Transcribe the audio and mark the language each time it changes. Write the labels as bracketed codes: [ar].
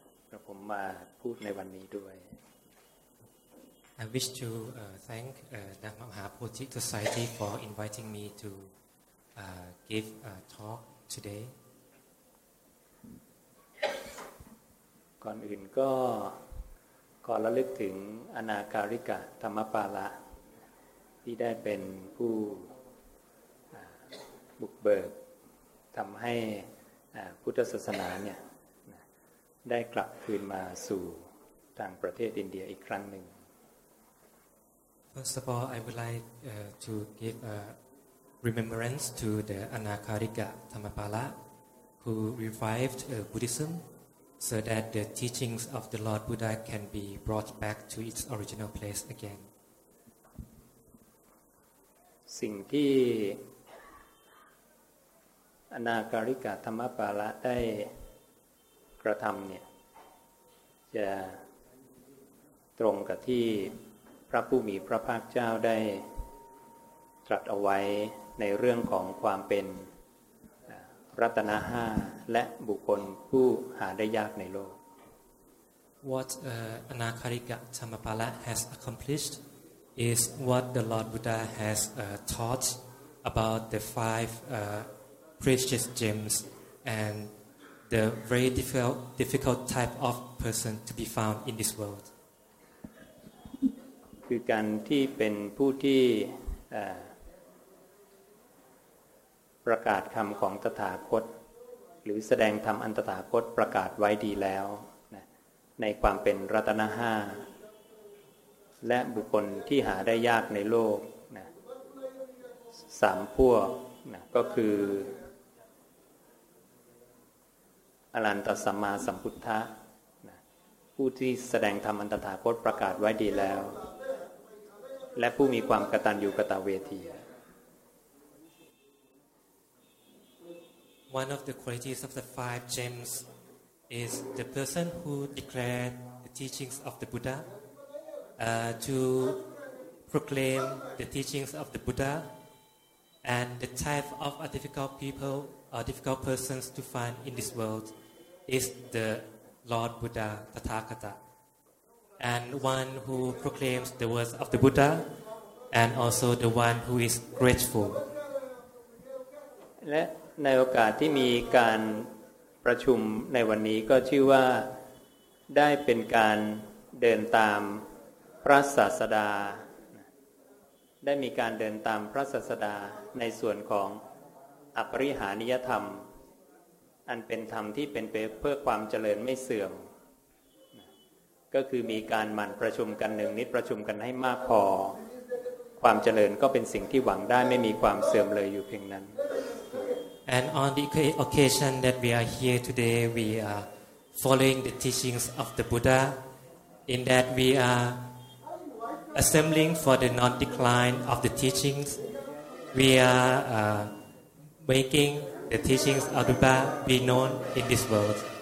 [th] ขอบคุณที่ทางมหาโพธิ์สมาคมได้มีการจัดประชุมกันในวันนี้ก็ได้เชิญผมมาพูดในวันนี้ด้วย [en] I wish to thank the Mahabodhi Society for inviting me to give a talk today. [th] ก่อนอื่นก็ขอระลึกถึงอนาคาริกะธรรมปาละที่ได้เป็นผู้บุกเบิกทำให้พุทธศาสนาเนี่ยได้กลับคืนมาสู่ทางประเทศอินเดียอีกครั้งหนึ่ง [en] First of all, I would like to give a remembrance to the Anakarika Dhammapala who revived Buddhismso that the teachings of the Lord Buddha can be brought back to its original place again. [th] สิ่งที่อนาคาริกะธัมมปาละได้กระทำเนี่ยจะตรงกับที่พระผู้มีพระภาคเจ้าได้ตรัสเอาไว้ในเรื่องของความเป็นรัตนะ5และบุคคลผู้หาได้ยากในโลก [en] What Anakarika Dhammapala has accomplished is what the Lord Buddha has taught about the five precious gems and the very difficult type of person to be found in this world [th] คือการที่เป็นผู้ที่ประกาศคำของตถาคตหรือแสดงธรรมอันตถาคตประกาศไว้ดีแล้วในความเป็นรัตนะ5และบุคคลที่หาได้ยากในโลกนะ3พวกนะก็คือ อรันตสัมมาสัมพุทธะผู้ที่แสดงธรรมอันตถาคตประกาศไว้ดีแล้วและผู้มีความกตัญญูกตเวที [en] One of the qualities of the five gems is the person who declared the teachings of the Buddha to proclaim the teachings of the Buddha and the type of a difficult people or difficult persons to find in this world is the Lord Buddha Tathagata and one who proclaims the words of the Buddha and also the one who is grateful [th] Let-ในโอกาสที่มีการประชุมในวันนี้ก็ชื่อว่าได้เป็นการเดินตามพระศาสดาได้มีการเดินตามพระศาสดาในส่วนของอปริหานิยธรรมอันเป็นธรรมที่เป็นไปเพื่อความเจริญไม่เสื่อมก็คือมีการหมั่นประชุมกันหนึ่งนิดประชุมกันให้มากพอความเจริญก็เป็นสิ่งที่หวังได้ไม่มีความเสื่อมเลยอยู่เพียงนั้น [en] And on the occasion that we are here today, we are following the teachings of the Buddha in that we are assembling for the non-decline of the teachings. We are making the teachings of the Buddha be known in this world.